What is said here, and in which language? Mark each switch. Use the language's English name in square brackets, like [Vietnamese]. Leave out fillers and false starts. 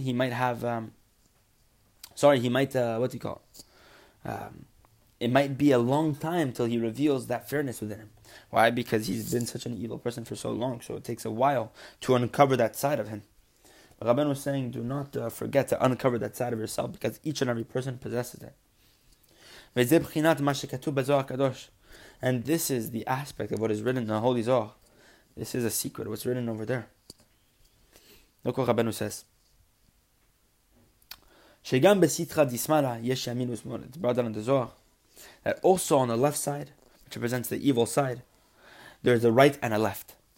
[English] He might have, it might be a long time till he reveals that fairness within him. Why? Because he's been such an evil person for so long. So it takes a while to uncover that side of him. But Rabban was saying, do not forget to uncover that side of yourself because each and every person possesses it. [Hebrew] וזה בחינת מה שכתוב בזוהר הקדוש. [English] And this is the aspect of what is written in the Holy Zohar. This is a secret, what's written over there. Look what Rabbeinu says. [Hebrew] Shegam besitra dismala yesh yamin usmol. [English] It's brought down in the Zohar. That also on the left side, which represents the evil side, there is a right and a left.